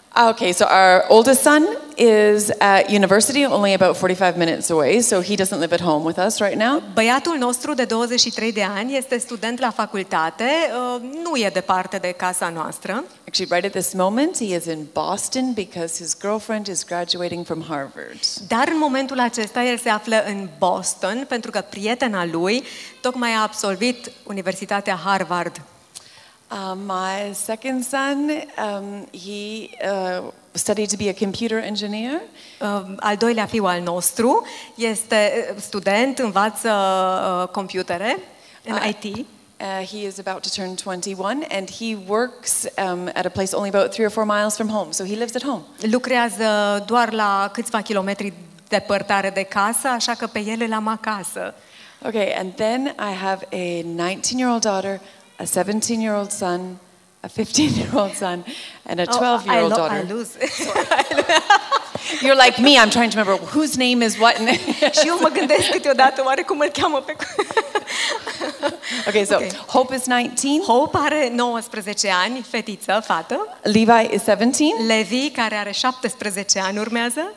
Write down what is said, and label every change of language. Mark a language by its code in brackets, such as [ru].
[en] Okay, so our oldest son is at university, only about 45 minutes away, so he doesn't live at home with us right now. [ro] Băiatul nostru de 23 de ani este student la facultate, nu e departe de casa noastră. [en] Actually, right at this moment, he is in Boston because his girlfriend is graduating from Harvard. [ro] Dar în momentul acesta el se află în Boston pentru că prietena lui tocmai a absolvit Universitatea Harvard. [en] My second son, he studied to be a computer engineer. [ro] Al doilea fiu al nostru este student, învață computere în IT. [en] He is about to turn 21 and he works at a place only about 3 or 4 miles from home, so he lives at home. [ro] Lucrează doar la câțiva kilometri depărtare de casă, așa că pe el îl am acasă. [en] Okay, and then I have a 19-year-old daughter, a 17-year-old son, a 15-year-old son, and a 12-year-old daughter. You're like me, I'm trying to remember whose name is what. [ro] Și eu mă gândesc câteodată, oare cum îl cheamă pe... [en] Okay, so okay. Hope is 19. [ro] Hope are 19 ani, fetiță, fată. [en] Levi is 17. [ro] Levi, care are 17 ani, urmează.